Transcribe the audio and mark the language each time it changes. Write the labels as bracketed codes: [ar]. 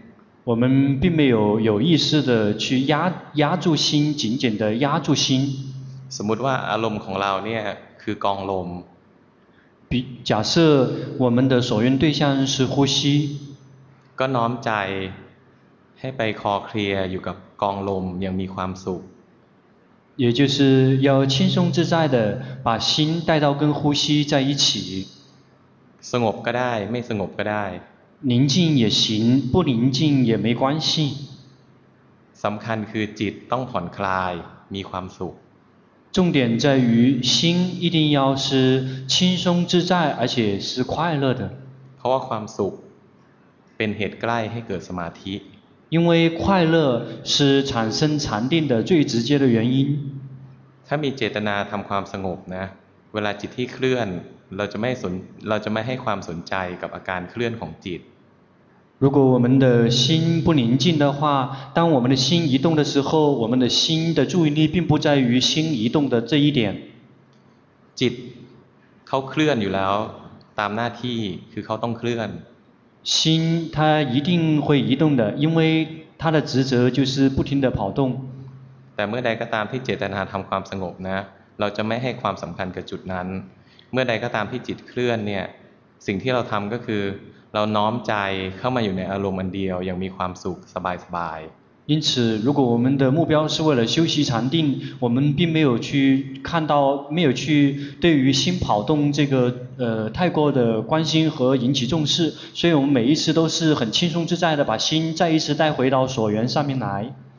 [zh] ๆ我们并没有有意识的去压住心紧紧的压住心 [th] สมมุติว่าอารมณ์ของเราเนี่ยคือกองลม [zh] 假设我们的所缘对象是呼吸 [th] ก็น้อมใจให้ไปคอเคลียร์อยู่กับกองลมยังมีความสุข [zh] 也就是要轻松自在的把心带到跟呼吸在一起 [th] สงบก็ได้ไม่สงบก็ได้ [zh] 宁静也行不宁静也没关系 [th] สำคัญคือจิตต้องผ่อนคลายมีความสุข [zh] 重点在于心一定要是轻松自在而且是快乐的 [th] เพราะว่าความสุขเป็นเหตุใกล้ให้เกิดสมาธิ [zh] 因为快乐是产生禅定的最直接的原因 [th] ถ้ามีเจตนาทำความสงบนะเวลาจิตที่เคลื่อนเราจะไม่ให้ความสนใจกับอาการเคลื่อนของจิต [zh] 如果我们的心不宁静的话当我们的心移动的时候我们的心的注意力并不在于心移动的这一点 [th] จิตเขาเคลื่อนอยู่แล้วตามหน้าที่คือเขาต้องเคลื่อน [zh] 心它一定会移动的因为它的职责就是不停的跑动 [th] แต่เมื่อใดก็ตามที่เจตนาทำความสงบนะเราจะไม่ให้ความสำคัญกับจุดนั้นเมื่อใดก็ตามที่จิตเคลื่อนเนี่ยสิ่งที่เราทำก็คือเราน้อมใจเข้ามาอยู่ในอารมณ์อันเดียวอย่างมีความสุขสบายสบาย [zh] 因此如果我们的目标是为了修习禅定我们并没有去看到没有去对于心跑动这个太过的关心和引起重视所以我们每一次都是很轻松自在的把心再一次带回到所缘上面来